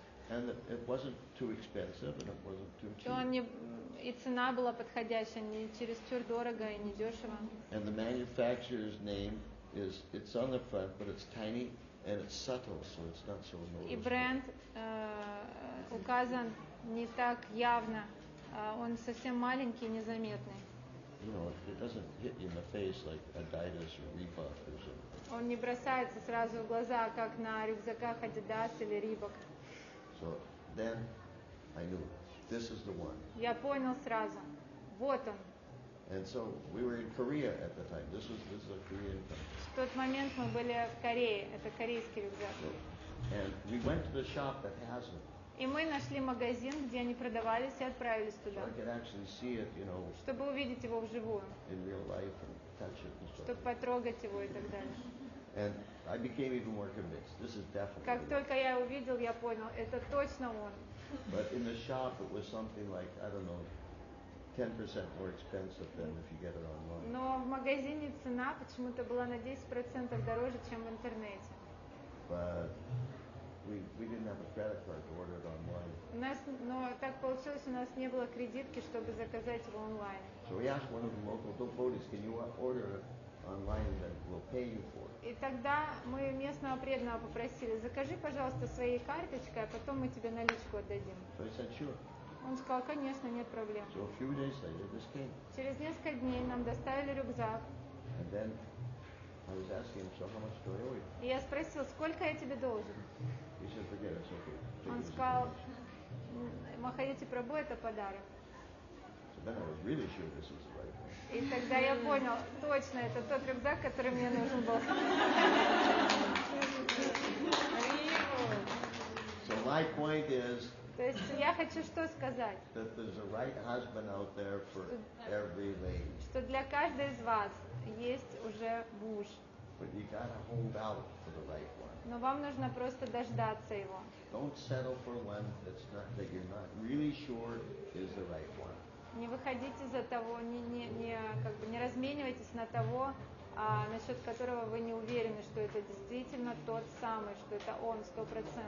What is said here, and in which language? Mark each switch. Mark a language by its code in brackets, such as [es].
[en] And it wasn't too expensive and it wasn't too cheap. [ru] И цена была подходящая, не чересчур дорого и не дешево. [en] And the manufacturer's name is it's on the front, but it's tiny and it's subtle, so it's not so noticeable. [ru] И бренд указан не так явно. Он совсем маленький, незаметный. [en] You know, it doesn't hit you in the face like Adidas or Reebok or something. [ru] Он не бросается сразу в глаза, как на рюкзаках Adidas или Reebok. [en] So then I knew this is the one. [ru] Я понял сразу. Вот он. [en] And so we were in Korea at the time. This was a Korean company. [ru] В тот момент мы были в Корее. Это корейский рюкзак. [en] And we went to the shop that has it. [ru] И мы нашли магазин, где они продавались, и отправились туда. [en] So I could actually see it, you know, [ru] чтобы увидеть его вживую. [en] In real life and touch it and so [ru] чтобы [en] it. [ru] Потрогать его и так далее. [en] And I became even more convinced. This is definitely. [ru] Как только я увидел, я понял, это точно он. [en] But in the shop it was something like, I don't know, 10% more expensive than if you get it online. [ru] Но в магазине цена почему-то была на 10% дороже, чем в интернете. [en] But we didn't have a credit card to order it online. [ru] У нас, но так получилось, у нас не было кредитки, чтобы заказать его онлайн. [en] So we asked one of the local authorities, can you order it online and then we'll pay you for it. [ru] И тогда мы местного преданного попросили, закажи, пожалуйста, своей карточкой, а потом мы тебе наличку отдадим. [en] So he said, sure. [ru] Он сказал, конечно, нет проблем. [en] So a few days later, this came. [ru] Через несколько дней нам доставили рюкзак. [en] And then I was asking him, so how much do I owe you? [ru] И я спросил, сколько я тебе должен? [en] He said, forget it, okay. [ru] Он сказал, махаете пробой, это подарок. [en] So then I was really sure this was the right one. [ru] И тогда я понял, точно, это тот рюкзак, который мне нужен был. [en] So my point is, [ru] то есть я хочу что сказать? [en] That there's a right husband out there for every lady. [ru] Что для каждой из вас есть уже муж. [en] But you gotta hold out for the right one. [ru] Но вам нужно просто дождаться его. [en] Don't settle for one that's not, that you're not really sure is the right one. [ru] Не выходите за того, не разменивайтесь на того, насчет которого вы не уверены, что это действительно тот самый, что это он 100%.